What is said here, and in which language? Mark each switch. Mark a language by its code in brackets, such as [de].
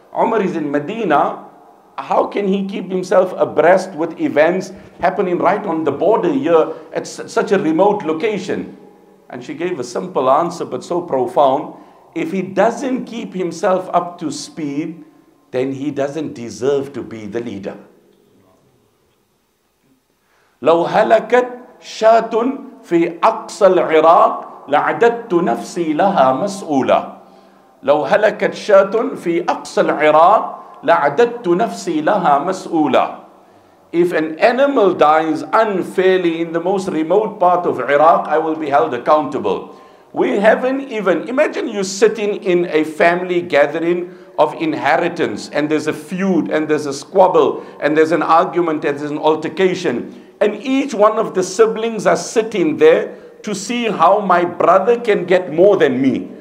[en] "Umar is in Medina. How can he keep himself abreast with events happening right on the border here at such a remote location?" And she gave a simple answer, but so profound. "If he doesn't keep himself up to speed, then he doesn't deserve to be the leader. [ar] لو هلكت شات في أقصى العراق لعددت نفسي لها مسؤولة. لو هلكت شات في أقصى العراق لعددت نفسي لها مسؤولة. [en] If an animal dies unfairly in the most remote part of Iraq, I will be held accountable." We haven't even, imagine you sitting in a family gathering of inheritance, and there's a feud, and there's a squabble, and there's an argument, and there's an altercation, and each one of the siblings are sitting there to see how my brother can get more than me.